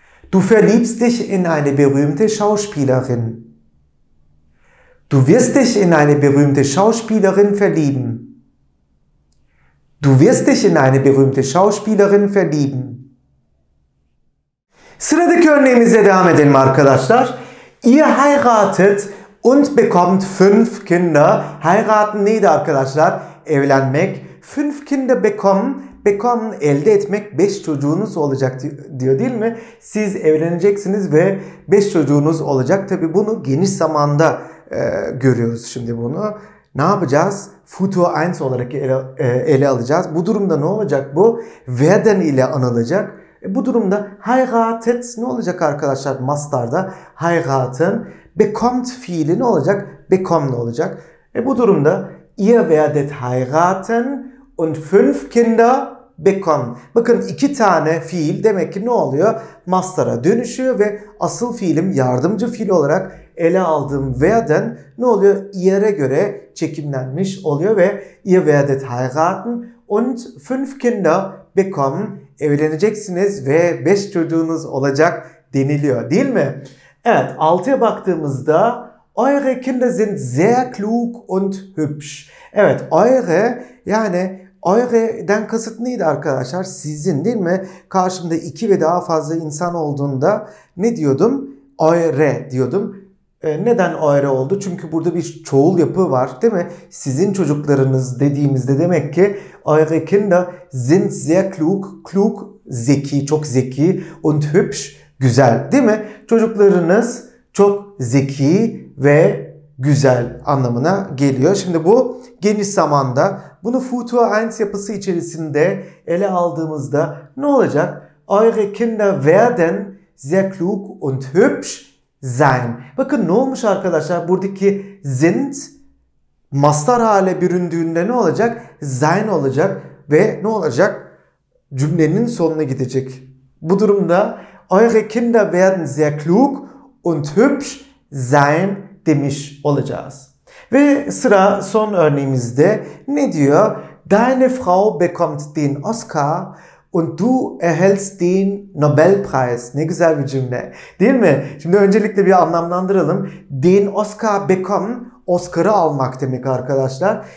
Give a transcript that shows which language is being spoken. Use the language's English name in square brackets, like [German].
[German] Du verliebst dich in eine berühmte Schauspielerin. Du wirst dich in eine berühmte Schauspielerin verlieben. Du wirst dich in eine berühmte Schauspielerin verlieben. [Turkish] Sıradaki örneğimize devam edelim arkadaşlar. [German] Ihr heiratet und bekommt 5 Kinder. [Turkish] Heiraten neydi arkadaşlar? Evlenmek. [German] 5 Kinder bekommen. [Turkish] Bekommen elde etmek. 5 çocuğunuz olacak diyor değil mi? Siz evleneceksiniz ve 5 çocuğunuz olacak. Tabi bunu geniş zamanda görüyoruz şimdi bunu. Ne yapacağız? Futur 1 olarak ele alacağız. Bu durumda ne olacak bu? Werden ile anılacak. Bu durumda heiratet ne olacak arkadaşlar? Mastarda heiratın bekommt fiili ne olacak? Bekommen ne olacak? Bu durumda [German] ihr werdet heiraten und 5 Kinder bekommen. [Turkish] Bakın 2 tane fiil demek ki ne oluyor? Mastara dönüşüyor ve asıl fiilim yardımcı fiil olarak ele aldığım werden ne oluyor? Ihr'e göre çekimlenmiş oluyor ve [German] ihr werdet heiraten und 5 Kinder bekommen. [Turkish] Evleneceksiniz ve 5 çocuğunuz olacak deniliyor değil mi? Evet, 6'ya baktığımızda [German] Eure Kinder sind sehr klug und hübsch. [Turkish] Evet, eure yani eure'den kasıt neydi arkadaşlar? Sizin değil mi? Karşımda iki ve daha fazla insan olduğunda ne diyordum? Eure diyordum. Neden eure oldu? Çünkü burada bir çoğul yapı var değil mi? Sizin çocuklarınız dediğimizde demek ki [German] eure Kinder sind sehr klug, [Turkish] klug, zeki, çok zeki und hübsch, güzel değil mi? Çocuklarınız çok zeki ve güzel anlamına geliyor. Şimdi bu geniş zamanda bunu Futur 1 yapısı içerisinde ele aldığımızda ne olacak? [German] Eure Kinder werden sehr klug und hübsch sein. [Turkish] Bakın ne olmuş arkadaşlar? Buradaki sind mastar hale büründüğünde ne olacak? Sein olacak ve ne olacak? Cümlenin sonuna gidecek. Bu durumda [German] eure Kinder werden sehr klug und hübsch sein [Turkish] demiş olacağız. Ve sıra son örneğimizde ne diyor? [German] Deine Frau bekommt den Oscar und du erhältst den Nobelpreis. [Turkish] Ne güzel bir cümle. Değil mi? Şimdi öncelikle bir anlamlandıralım. [German] Den Oscar bekommen, [Turkish] Oscar'ı almak demek arkadaşlar.